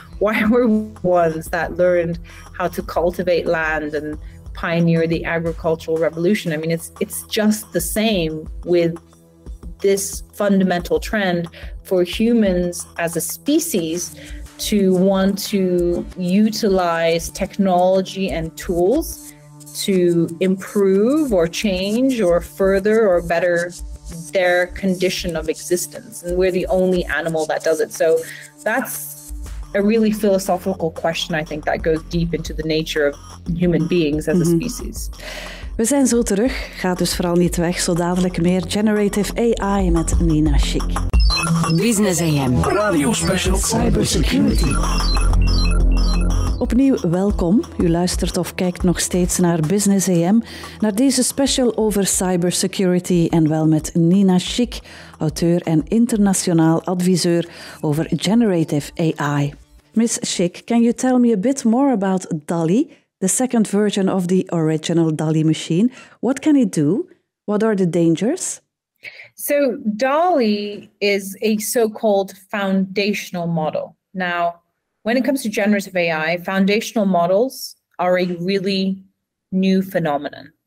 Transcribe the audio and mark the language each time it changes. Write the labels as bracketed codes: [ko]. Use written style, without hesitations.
[en] Why were we ones that learned how to cultivate land and pioneer the agricultural revolution? I mean, it's just the same with this fundamental trend for humans as a species to want to utilize technology and tools to improve or change or further or better their condition of existence. And we're the only animal that does it. So that's a really philosophical question, I think, that goes deep into the nature of human beings as mm-hmm. a species. [nl] We zijn zo terug. Ga dus vooral niet weg. Zo dadelijk meer Generative AI met Nina Schick. Business AM. Radio Special Cybersecurity. Opnieuw welkom. U luistert of kijkt nog steeds naar Business AM, naar deze special over cybersecurity en wel met Nina Schick, auteur en internationaal adviseur over generative AI. [en] Miss Schick, can you tell me a bit more about DALL-E, the second version of the original DALL-E machine? What can it do? What are the dangers? So DALL-E is a so-called foundational model. Now, when it comes to generative AI, foundational models are a really new phenomenon.